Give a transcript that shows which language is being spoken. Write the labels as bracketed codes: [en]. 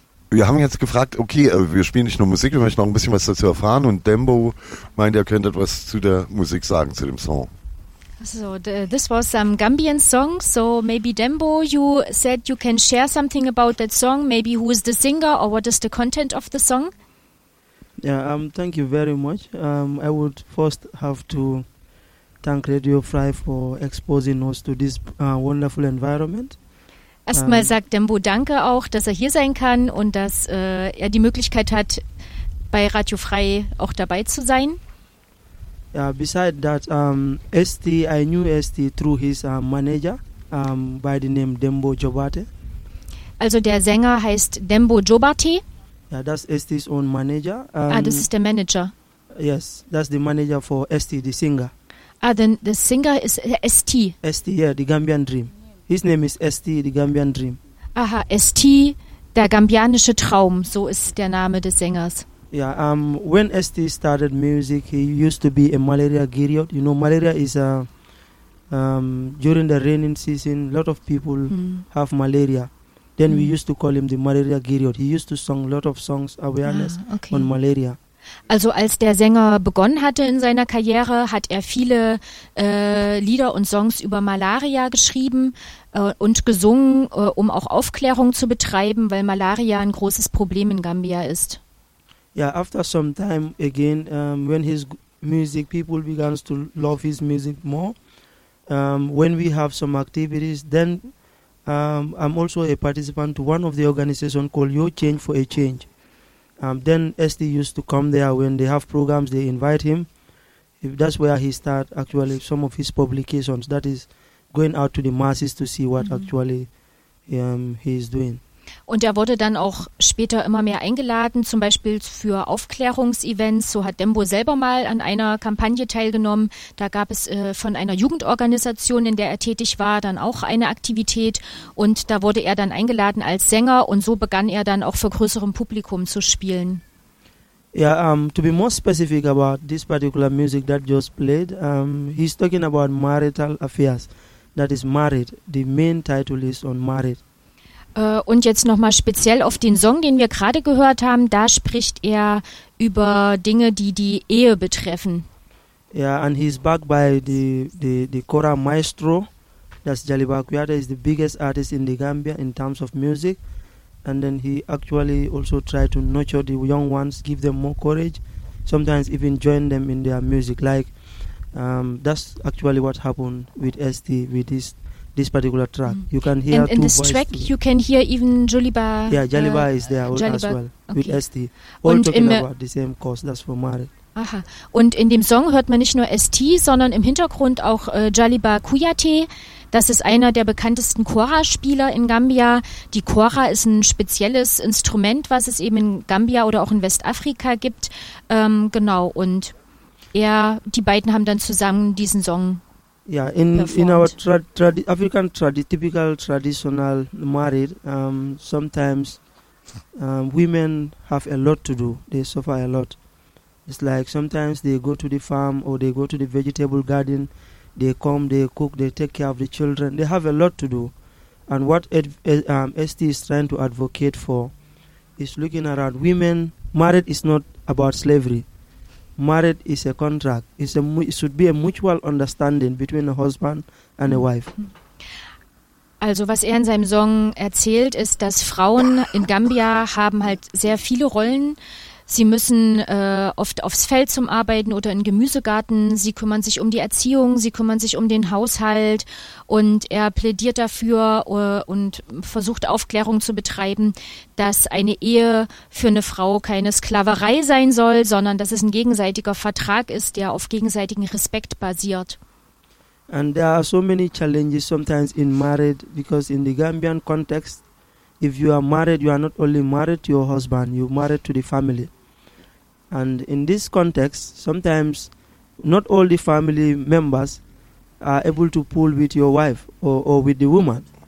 [de] Wir haben jetzt gefragt, okay, wir spielen nicht nur Musik, wir möchten noch ein bisschen was dazu erfahren. Und Dembo meint, er könnte etwas zu der Musik sagen, zu dem Song. [en] So, this was some Gambian song. So maybe Dembo, you said you can share something about that song. Maybe who is the singer or what is the content of the song? Yeah, thank you very much. I would first have to thank Radio Fry for exposing us to this wonderful environment. [de] Erstmal sagt Dembo Danke auch, dass er hier sein kann und dass er die Möglichkeit hat, bei Radio Frei auch dabei zu sein. [en] Ja, besides that, ST, I knew ST through his manager by the name Dembo Jobate. [de] Also der Sänger heißt Dembo Jobate. Ja, das ist ST's [en] own manager. [de] Das ist der Manager. [en] Yes, that's the manager for ST, the singer. Ah, then the singer is ST. ST, yeah, the Gambian Dream. His name is ST, the Gambian Dream. [de] Aha, ST, der gambianische Traum, so ist der Name des Sängers. [en] Ja, yeah, when ST started music, he used to be a malaria griot. You know, malaria is during the rainy season, a lot of people have malaria. Then we used to call him the malaria griot. He used to sing a lot of songs awareness on malaria. [de] Also als der Sänger begonnen hatte in seiner Karriere, hat er viele Lieder und Songs über Malaria geschrieben und gesungen, um auch Aufklärung zu betreiben, weil Malaria ein großes Problem in Gambia ist. [en] Ja, yeah, after some time again, when his music, people began to love his music more. When we have some activities, then I'm also a participant to one of the organizations called Your Change for a Change. Then ST used to come there when they have programs, they invite him. That's where he started actually some of his publications, that is going out to the masses to see what actually he is doing. [de] Und er wurde dann auch später immer mehr eingeladen, zum Beispiel für Aufklärungsevents. So hat Dembo selber mal an einer Kampagne teilgenommen. Da gab es von einer Jugendorganisation, in der er tätig war, dann auch eine Aktivität. Und da wurde er dann eingeladen als Sänger. Und so begann er dann auch vor größerem Publikum zu spielen. [en] Ja, to be more specific about this particular music that just played, he's talking about marital affairs. That is married. The main title is on married. [de] Und jetzt nochmal speziell auf den Song, den wir gerade gehört haben, da spricht er über Dinge, die die Ehe betreffen. [en] Ja, yeah, and he's backed by the Kora Maestro. That's Jaliba Kuyate, is the biggest artist in the Gambia in terms of music. And then he actually also tried to nurture the young ones, give them more courage, sometimes even join them in their music. Like, that's actually what happened with ST, with this particular track. You can hear in this track too. You can hear even Joliba. Yeah, Joliba is there Joliba, as well, okay. With ST. All und talking about the same cause, that's for Mare. Aha. [de] Und in dem Song hört man nicht nur ST, sondern im Hintergrund auch Joliba Kuyate. Das ist einer der bekanntesten Kora-Spieler in Gambia. Die Kora ist ein spezielles Instrument, was es eben in Gambia oder auch in Westafrika gibt. Genau, und er, die beiden haben dann zusammen diesen Song. [en] Yeah, in our African typical traditional marriage, sometimes women have a lot to do. They suffer a lot. It's like sometimes they go to the farm or they go to the vegetable garden. They come, they cook, they take care of the children. They have a lot to do. And what ST is trying to advocate for is looking around. Women, marriage is not about slavery. Marriage is a contract. It should be a mutual understanding between a husband and a wife. [de] Also was er in seinem Song erzählt, ist, dass Frauen in Gambia haben halt sehr viele Rollen. Sie müssen oft aufs Feld zum Arbeiten oder in Gemüsegarten. Sie kümmern sich um die Erziehung, sie kümmern sich um den Haushalt. Und er plädiert dafür und versucht Aufklärung zu betreiben, dass eine Ehe für eine Frau keine Sklaverei sein soll, sondern dass es ein gegenseitiger Vertrag ist, der auf gegenseitigen Respekt basiert. [en] And there are so many challenges sometimes in marriage, because in the Gambian context, if you are married, you are not only married to your husband, you are married to the family. And in this context, sometimes not all the family members are able to pull with your wife or with the woman.